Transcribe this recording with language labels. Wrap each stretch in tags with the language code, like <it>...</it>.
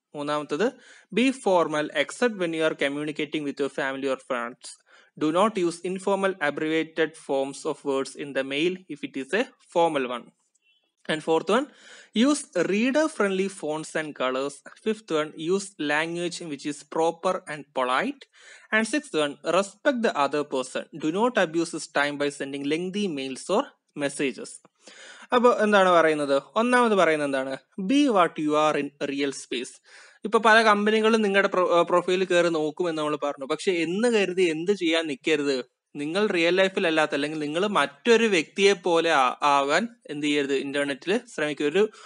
<en>മൂന്നാമത്തത് be formal except when you are communicating with your family or friends. Do not use informal abbreviated forms of words in the mail if it is a formal one. And fourth one, use reader-friendly fonts and colors. Fifth one, use language which is proper and polite. And sixth one, respect the other person. Do not abuse his time by sending lengthy mails or messages.</en> <ml>അപ്പോൾ എന്താണ് പറയുന്നത്? ഒന്നാമത് പറയുന്നത് എന്താണ്,</ml> <en>Be what you are in real space.</en> <ml>ഇപ്പൊ പല കമ്പനികളും നിങ്ങളുടെ പ്രൊഫൈലിൽ കയറി നോക്കുമെന്ന് നമ്മൾ പറഞ്ഞു. പക്ഷെ എന്ന് കരുതി എന്ത് ചെയ്യാൻ നിൽക്കരുത്, നിങ്ങൾ റിയൽ ലൈഫിൽ അല്ലാത്ത അല്ലെങ്കിൽ നിങ്ങൾ മറ്റൊരു വ്യക്തിയെ പോലെ ആവാൻ എന്ത് ചെയ്യരുത്, ഇന്റർനെറ്റിൽ ശ്രമിക്കരുത്.</ml>